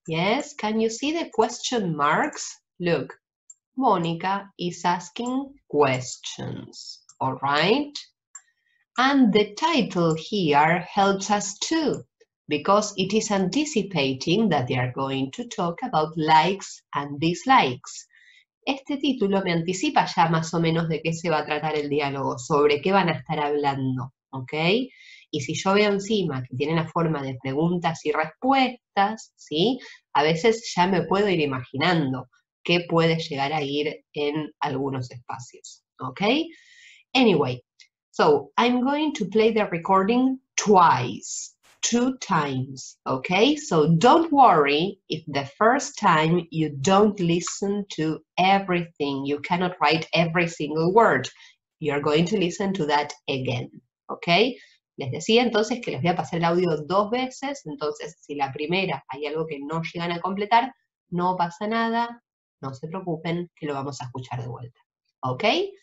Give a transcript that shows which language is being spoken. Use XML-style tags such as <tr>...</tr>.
<en>Yes, can you see the question marks? Look, Monica is asking questions, all right? And the title here helps us too, because it is anticipating that they are going to talk about likes and dislikes.</en> <es>Este título me anticipa ya más o menos de qué se va a tratar el diálogo, sobre qué van a estar hablando, ¿ok? Y si yo veo encima que tiene la forma de preguntas y respuestas, ¿sí? A veces ya me puedo ir imaginando qué puede llegar a ir en algunos espacios, ¿ok?</es> <en>Anyway. So, I'm going to play the recording twice, two times, okay? So, don't worry if the first time you don't listen to everything, you cannot write every single word. You're going to listen to that again, okay?</en> <es>Les decía entonces que les voy a pasar el audio dos veces, entonces si la primera hay algo que no llegan a completar, no pasa nada, no se preocupen que lo vamos a escuchar de vuelta, okay?</es>